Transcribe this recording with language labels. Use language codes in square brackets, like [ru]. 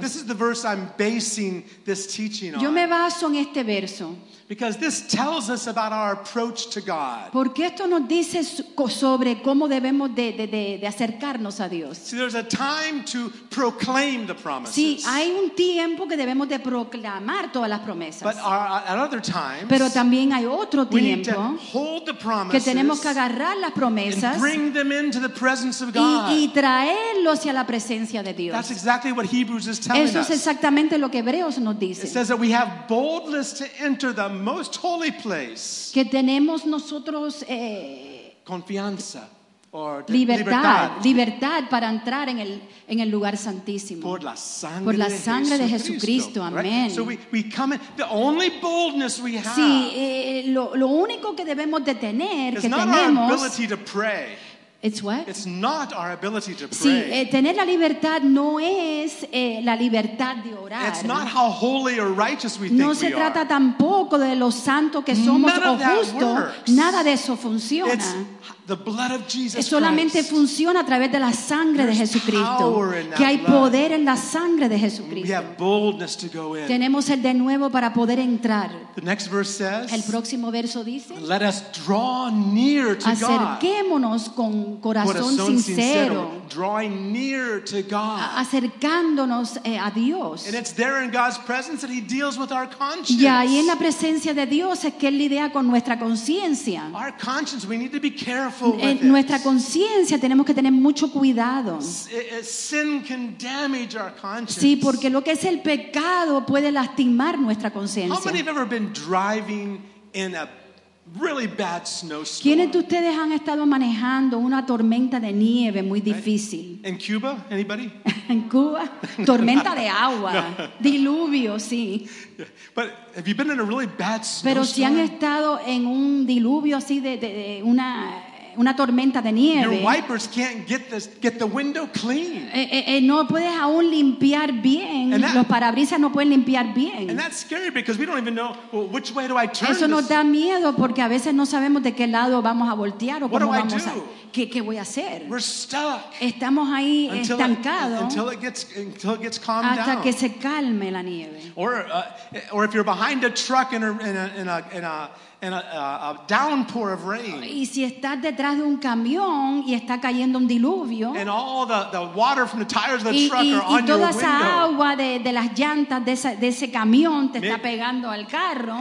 [en] This is the verse I'm basing this teaching on. [es] Yo me baso en este verso. [en] Because this tells us about our approach to God. [es] Porque esto nos dice sobre cómo debemos de acercarnos a Dios. [en] See, there's a time to proclaim the promises. [es] Sí, hay un tiempo que debemos de proclamar todas las promesas. [en] But our, at other times, [es] pero también hay otro tiempo [en] we need to hold the promises [es] que tenemos que agarrar las promesas [en] and bring them into the presence of God. [es] Y traerlo hacia la presencia de Dios. [en] That's exactly what Hebrews is telling [es] eso es exactamente [en] us. [es] Lo que Hebreos nos dice. [en] It says that we have boldness to enter the most holy place. [es] Que tenemos nosotros confianza or libertad para entrar en el lugar santísimo por la sangre de Jesucristo. Amén. [en] Right? So we come in, the only boldness we have. [es] Sí, lo único que debemos de tener que tenemos [en] is not our ability to pray. It's what? It's not our ability to pray. [es] Sí, tener la libertad no es la libertad de orar. It's not how holy or righteous we think we are. No se trata tampoco de lo santo que somos o justo. None of that works. Nada de eso funciona. It's the blood of Jesus Christ. Solamente funciona a través de la sangre de Jesucristo. Que hay poder en la sangre de Jesucristo. [en] We have boldness to go in. [es] Tenemos el de nuevo para poder entrar. [en] The next verse says, [es] el próximo verso dice, [en] let us draw near to God. [es] Acerquémonos con corazón sincero. [en] Drawing near to God. [es] Acercándonos a Dios. [en] And it's there in God's presence that he deals with our conscience. [es] Y ahí en la presencia de Dios es que él lidia con nuestra conciencia. [en] Our conscience, we need to be careful with it. [es] Nuestra conciencia tenemos que tener mucho cuidado. [en] Sin can damage our conscience. [es] Sí, porque lo que es el pecado puede lastimar nuestra conciencia. [en] How many have ever been driving in a really bad snowstorm? [es] ¿Quiénes de ustedes han estado manejando una tormenta de nieve muy difícil? [en] In Cuba, anybody? [es] En Cuba, tormenta de agua, no. Diluvio, sí. [en] But have you been in a really bad snowstorm? [es] Pero si han estado en un diluvio así de una tormenta de nieve. [en] Your wipers can't get the window clean. [es] No puedes aún limpiar bien. Los parabrisas no pueden limpiar bien. [en] And that's scary because we don't even know, well, which way do I turn. [es] Eso nos da miedo porque a veces no sabemos de qué lado vamos a voltear o cómo vamos a. ¿Qué voy a hacer? [en] We're stuck. [es] Estamos ahí estancados. [en] Until it gets calmed [es] hasta [en] down. [es] Hasta que se calme la nieve. [en] Or if you're behind a truck in a downpour of rain. [es] Y si estás detrás de un camión y está cayendo un diluvio. And all the water from the tires of the truck are on your window. Y toda esa agua de las llantas de ese camión te está pegando al carro.